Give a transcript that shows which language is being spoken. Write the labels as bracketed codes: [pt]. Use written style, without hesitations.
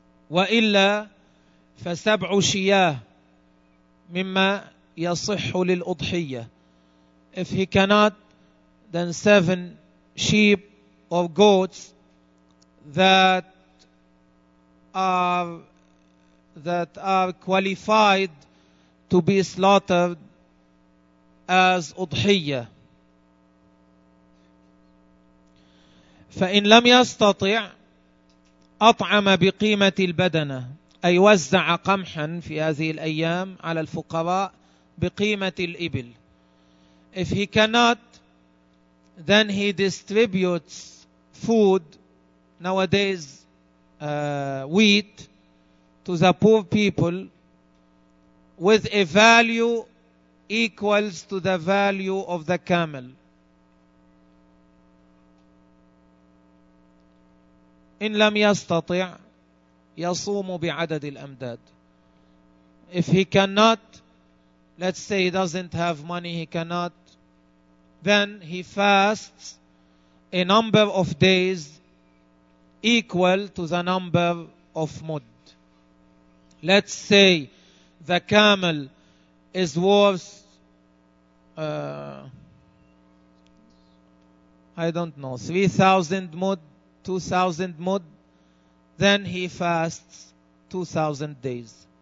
[ar] وإلا فسبع شياه مما يصح للأضحية, [en] if he cannot then seven sheep or goats that are qualified to be slaughtered as أضحية. [ar] فإن لم يستطع أطعم بقيمة البدنة, أي وزع قمحا في هذه الأيام على الفقراء بقيمة الإبل. [en] If he cannot, then he distributes food, nowadays wheat, to the poor people with a value equals to the value of the camel. [ar] إن لم يستطع يصوم بعدد الأمداد. [en] If he cannot, let's say he doesn't have money, he cannot, then he fasts a number of days equal to the number of mud. Let's say the camel is worth, I don't know, 3,000 mud, 2,000 mud, then he fasts 2,000 days.